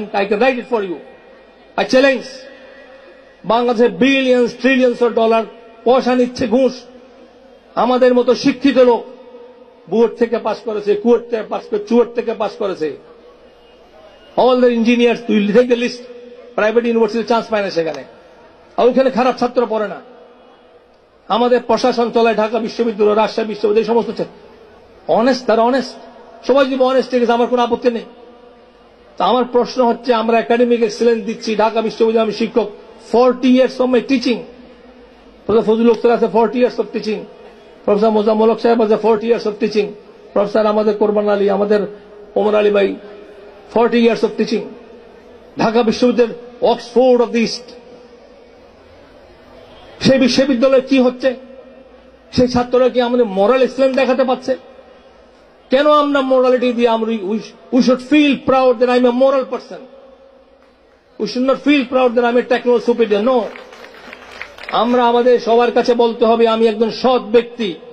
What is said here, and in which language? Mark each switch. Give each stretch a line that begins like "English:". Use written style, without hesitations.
English: I can write it for you, I challenge,
Bangla: বাংলাদেশে billions trillions of dollar পয়সা নিচ্ছে ঘুষ, আমাদের মতো শিক্ষিত লোক বুয়েট থেকে পাস করেছে, কুয়েট থেকে পাস করে, চুয়েট থেকে পাস করেছে, অল দ্য ইঞ্জিনিয়ার, তুই থেকে the list, private university chance পায় না সেখানে, আর ওইখানে খারাপ ছাত্র পড়ে না, আমাদের প্রশাসন চলায় ঢাকা বিশ্ববিদ্যালয়, রাজশাহী বিশ্ববিদ্যালয়, এই সমস্ত অনেস্ট, তারা অনেস্ট, সবাই যদি অনেস্ট ঠিক আছে, আমার কোনো আপত্তি নেই। তা আমার প্রশ্ন হচ্ছে, আমরা একাডেমিক এক্সেলেন্স দিচ্ছি ঢাকা বিশ্ববিদ্যালয়, আমি শিক্ষক
English: 40 years of my teaching, Professor Fazlul Akhtar has 40 years of teaching. Professor Mirza Malik Sahib has 40 years of teaching. Professor
Bangla: Amader
English: Kurban Ali, Amader Omar Ali Bhai, 40 years of teaching. Dhaka Bishwavidyalay, Oxford of the East.
Bangla: সেই বিশ্ববিদ্যালয়ে কি হচ্ছে? সেই ছাত্ররা কি আমাদের মরাল excellence দেখাতে পারছে? কেন আমরা মরালিটি দিয়ে আমরা
English: We should feel proud that I am a moral person, we should not feel proud that I am a techno superior?
Bangla: No, আমরা আমাদের সবার কাছে বলতে হবে আমি একজন সৎ ব্যক্তি।